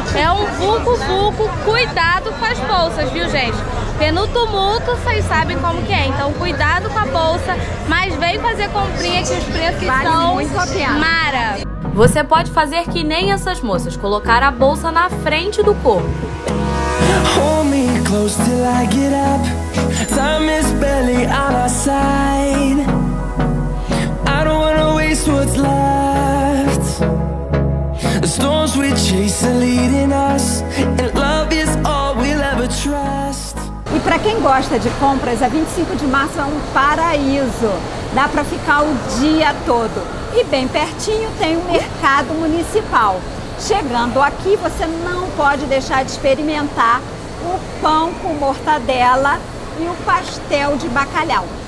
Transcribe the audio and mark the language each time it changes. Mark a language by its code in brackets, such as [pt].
[pt] É um vulco-vulco, cuidado com as bolsas, viu, gente? Porque no tumulto, vocês sabem como que é. Então, cuidado com a bolsa, mas vem fazer comprinha que os preços são mara. Você pode fazer que nem essas moças, colocar a bolsa na frente do corpo. [en] Hold me close till I get up. Time is barely on our side. I don't wanna waste what's left. The storms we chase are leading us. And love is all we'll ever trust. [pt] E pra quem gosta de compras, a 25 de março é um paraíso. Dá pra ficar o dia todo. E bem pertinho tem o mercado municipal. Chegando aqui, você não pode deixar de experimentar o pão com mortadela e o pastel de bacalhau.